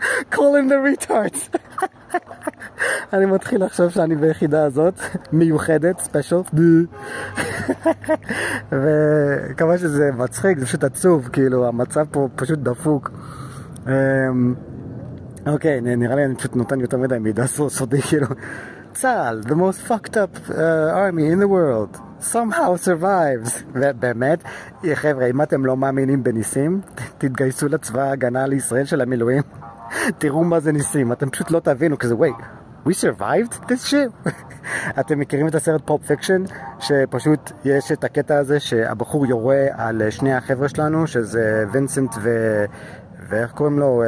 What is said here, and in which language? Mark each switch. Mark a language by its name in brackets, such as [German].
[English] Call in the retards. [Hebrew] אני מתחיל לחשוב שאני ביחידה הזאת, מיוחדת, ספשייל. וכמה שזה מצחיק, זה פשוט עצוב, כאילו, המצב פה פשוט דפוק. אוקיי, נראה לי אני פשוט נותן יותר מדי מידע סודי, כאילו. [English] צהל, the most fucked up army in the world, somehow survives. [Hebrew] ובאמת, חבר'ה, אם אתם לא מאמינים בניסים, תתגייסו לצבא ההגנה לישראל של המילואים. תראו מה זה ניסים, אתם פשוט לא תבינו, כזה, [English] wait, we survived this shit? [Hebrew] אתם מכירים את הסרט Pulp Fiction, שפשוט יש את הקטע הזה שהבחור יורה על שני החבר'ה שלנו, שזה וינסנט ואיך קוראים לו?